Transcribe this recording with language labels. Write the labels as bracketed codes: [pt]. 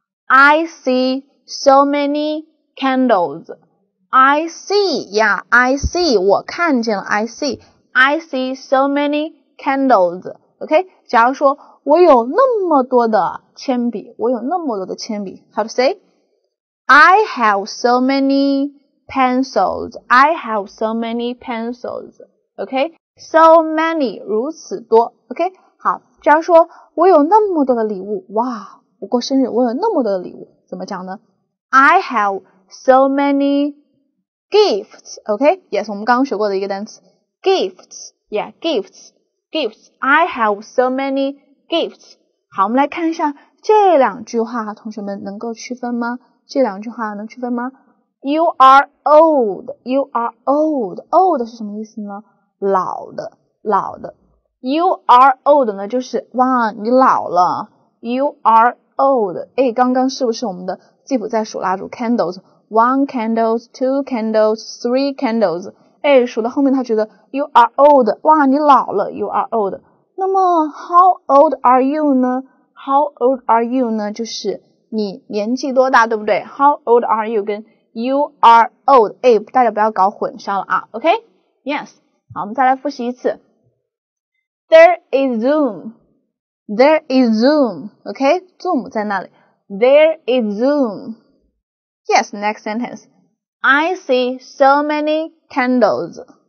[en] I see so many candles. I see, yeah, I see, [zh] 我看见了 [en] I see, I see so many candles, OK? [zh] 假如说我有那么多的铅笔，我有那么多的铅笔， [en] how to say? I have so many pencils, I have so many pencils, OK? So many, [zh] 如此多， [en] OK? [zh] 好，假如说我有那么多的礼物，哇，我过生日，我有那么多的礼物，怎么讲呢？ [en] I have so manygifts, OK? Yes, [zh] 我们刚刚学过的一个单词 [en] gifts, yeah, gifts, gifts, I have so many gifts. [zh] 好，我们来看一下这两句话，同学们能够区分吗？这两句话能区分吗？ [en] You are old, you are old, [zh] old 是什么意思呢？老的，老的。 [en] You are old [zh] 呢，就是哇，你老了。 [en] You are old, [zh] 诶，刚刚是不是我们的继父在数蜡烛 candles? [en] One candles, two candles, three candles. [zh] 哎，数到后面他觉得 [en] you are old. [zh] 哇，你老了 [en] ,you are old. [zh] 那么 [en] how old are you 呢？ How old are you [zh] 呢？就是你年纪多大，对不对？ [en] How old are you 跟 you are old. [zh] 哎，大家不要搞混上了啊。 [en] OK? Yes. [zh] 好，我们再来复习一次。 [en] There is Zoom. There is Zoom. OK? Zoom [zh] 在那里。 [en] There is Zoom. Yes, next sentence. I see so many candles.